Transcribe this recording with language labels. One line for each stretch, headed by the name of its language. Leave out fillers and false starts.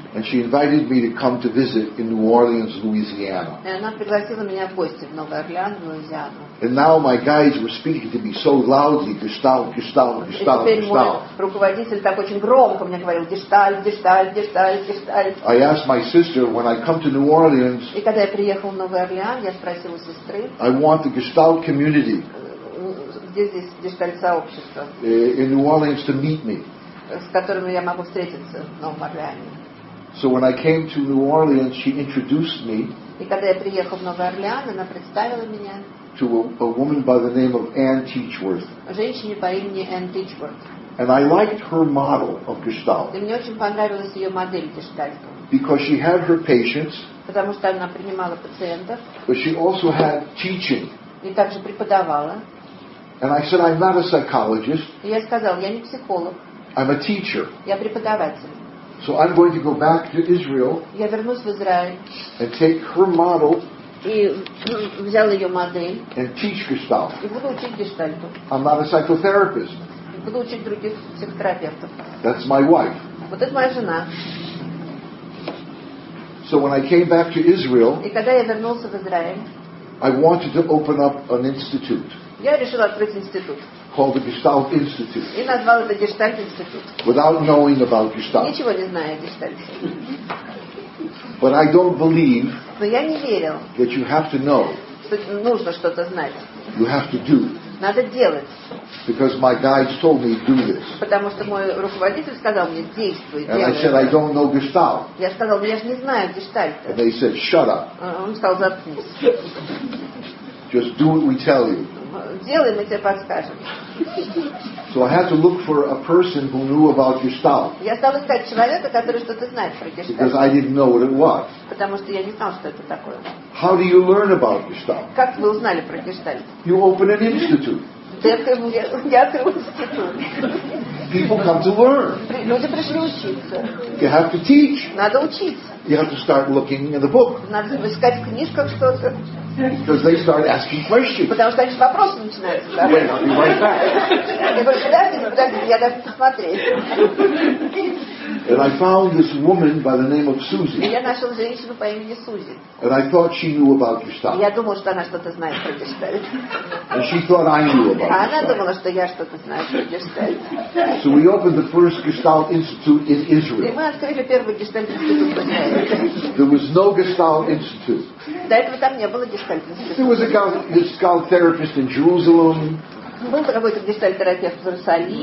English: And she invited me to come to visit in New Orleans, Louisiana.
Russian: И она пригласила меня в гости в Новый Орлеан, Луизиану.
English: And now my guides were speaking to me so loudly, Gestalt, Gestalt, Gestalt, Gestalt.
Russian: Руководитель так очень громко мне говорил, Gestalt, Gestalt, Gestalt, Gestalt.
English: I asked my sister, when I come to New Orleans.
Russian: И когда я приехал в Новый Орлеан, я спросил у сестры.
English: I want the Gestalt community.
Russian: Где здесь Gestalt сообщество?
English: In New Orleans to meet me.
Russian: С которым я могу встретиться в Новом Орлеане.
English: So when I came to New Orleans, she introduced me.
Russian: И когда я приехал в Новый Орлеан, она представила меня.
English: To a woman by the name of Ann Teachworth.
Russian: Женщине по имени Ann Teachworth.
English: And I liked her model of Gestalt.
Russian: И мне очень понравилась ее модель Гештальта.
English: Because she had her patients.
Russian: Потому что она принимала пациентов.
English: But she also had teaching.
Russian: И также преподавала.
English: And I said, I'm not a psychologist.
Russian: И я сказал, я не психолог.
English: I'm a teacher.
Russian: Я преподаватель.
English: So I'm going to go back to Israel.
Russian: Я вернусь в Израиль.
English: And take her model.
Russian: И взял ее модель.
English: And teach Gestalt.
Russian: И буду учить Гештальту.
English: I'm not a psychotherapist.
Russian: И буду учить других психотерапевтов.
English: That's my wife.
Russian: Вот это моя жена.
English: So when I came back to Israel.
Russian: И когда я вернулся в Израиль.
English: I wanted to open up an institute.
Russian: Я решил открыть институт.
English: Called the Gestalt Institute.
Russian: И назвал это Gestalt Institute.
English: Without knowing about Gestalt.
Russian: Ничего не зная о Гештальте.
English: But I don't believe.
Russian: Но я не верил.
English: That you have to know.
Russian: Нужно что-то знать.
English: You have to do.
Russian: Надо делать.
English: Because my guides told me do this.
Russian: Потому что мой руководитель сказал мне действуй.
English: And I said I don't know Gestalt.
Russian: Я сказал, я же не знаю Гештальта.
English: And they said shut up.
Russian: Он сказал заткнись.
English: Just do what we tell you.
Russian: Делай, мы тебе подскажем.
English: So I had to look for a person who knew about Gestalt.
Russian: Я стал искать человека, который что-то знает про Гештальт.
English: Because I didn't know what it was.
Russian: Потому что я не знал, что это такое.
English: How do you learn about Gestalt?
Russian: Как вы узнали про Гештальт?
English: You open an institute.
Russian: Я открыл институт.
English: People come to learn.
Russian: Люди пришли учиться.
English: You have to teach.
Russian: Надо учиться.
English: You have to start looking in the book.
Russian: Надо искать в книжках что-то.
English: Because they start asking questions.
Russian: Потому что они вопросы начинают.
English: Wait, I'll be right back.
Russian: Я говорю, подожди, я даже посмотреть.
English: And I found this woman by the name of Suzy.
Russian: И я нашел женщину по имени Сузи.
English: And I thought she knew about Gestalt.
Russian: Я думал, что она что-то знает про Gestalt.
English: And she thought I knew about Gestalt.
Russian: А она думала, что я что-то знаю про Gestalt.
English: So we opened the first Gestalt Institute in Israel.
Russian: И мы открыли первый Gestalt Institute в Израиле.
English: There was no Gestalt Institute.
Russian: До этого там не было Gestalt Institute.
English: There was a Gestalt therapist in Jerusalem.
Russian: Был какой-то Gestalt терапевт в Иерусалиме.